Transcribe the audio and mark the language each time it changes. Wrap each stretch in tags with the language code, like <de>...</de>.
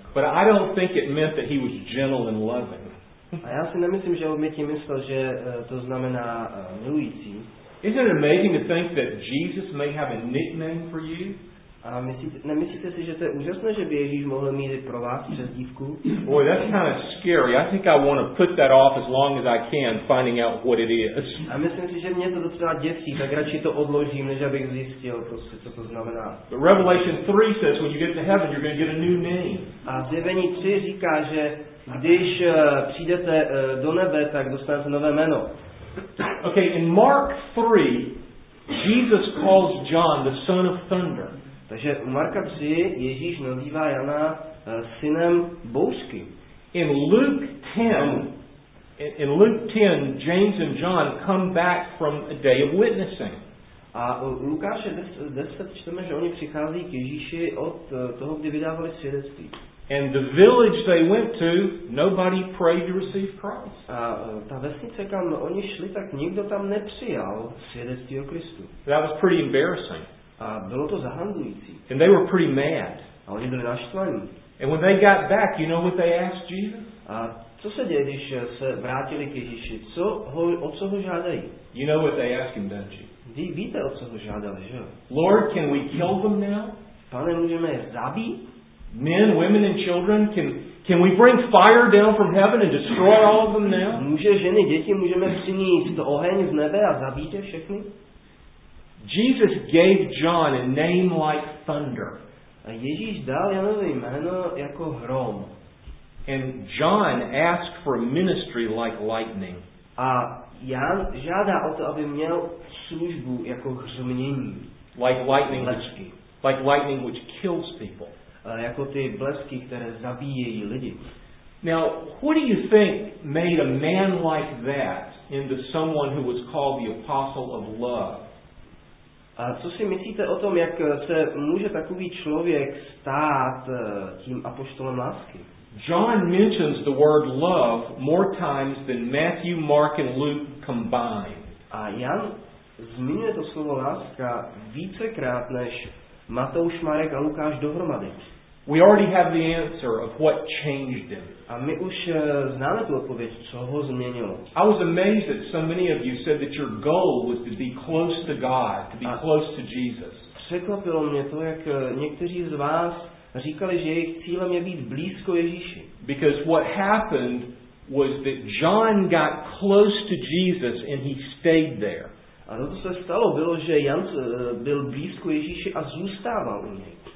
<en>But I don't think it meant that he was gentle and loving.</en> <cs>A já si nemyslím, že on mě tím myslel, že to znamená milující.</cs> <en>Isn't it amazing to think that Jesus may have a nickname for you?</en> <cs>A nemyslíte si, že to je úžasné, že by Ježíš mohl mít pro vás přezdívku?</cs> <en>Boy, that's kind of scary. I think I want to put that off as long as I can, finding out what it is.</en> <cs>A myslím si, že mě to docela děsí, tak radši to odložím, než abych zjistil, prostě, co to znamená.</cs> <en>But Revelation 3 says, when you get to heaven, you're going to get a new name.</en> <cs>A Zjevení 3 říká, že když přijdete do nebe, tak dostanete nové jméno.</cs> <en>Okay, in Mark 3, Jesus calls John the son of thunder.</en> <cs>Takže u Marka 3 Ježíš nazývá Jana synem bouřky.</cs> <en>In Luke 10 James and John come back from a day of witnessing.</en> <cs>A u Lukáše 10 čteme, že oni přichází k Ježíši od toho, kdy vydávali svědectví.</cs> <en>And the village they went to, nobody prayed to receive Christ.</en> <cs>A ta vesnice, kam oni šli, tak nikdo tam nepřijal svědectví o Kristu.</cs> <en>That was pretty embarrassing.</en> <cs>A bylo to zahandlující.</cs> <en>And they were pretty mad.</en> <cs>A oni byli naštvaní.</cs> <en>And when they got back, you know what they asked Jesus?</en> <cs>A co se děje, když se vrátili k Ježíši? O co ho žádají?</cs> <en>You know what they asked him, don't you?</en> <cs>Víte, o co ho žádali, že?</cs> <en>Lord, can we kill them now?</en> <cs>Pane, můžeme je zabít?</cs> <en>Men, women and children, can we bring fire down from heaven and destroy all of them now?</en> <cs>Může ženy, děti, můžeme přinést oheň z nebe a zabít je všechny?</cs> <en>Jesus gave John a name like thunder.</en> <cs>A Ježíš dal Janovi jméno jako hrom.</cs> <en>And John asked for a ministry like lightning.</en> <cs>A Jan žádá o to, aby měl službu jako hřmění.</cs> <en>Like lightning,</en> <cs>blesky.</cs> <en>Like lightning which kills people.</en> <cs>A jako ty blesky, které zabíjejí lidi.</cs> <en>Now, what do you think made a man like that into someone who was called the apostle of love?</en> <cs>A co si myslíte o tom, jak se může takový člověk stát tím apoštolem lásky?</cs> <en>John mentions the word love more times than Matthew, Mark and Luke combined.</en> <cs>A Jan zmiňuje to slovo láska vícekrát než Matouš, Marek a Lukáš dohromady.</cs> <en>We already have the answer of what changed him.</en> <cs>A my už známe tu odpověď, co ho změnilo.</cs> <en>I was amazed that so many of you said that your goal was to be close to God, to be close to Jesus.</en> <cs>Překvapilo mě to, jak někteří z vás říkali, že jejich cílem je být blízko Ježíši.</cs> <en>Because what happened was that John got close to Jesus and he stayed there.</en> <cs>A to, co se stalo, bylo, že Jan byl blízko Ježíši a zůstával u něj.</cs>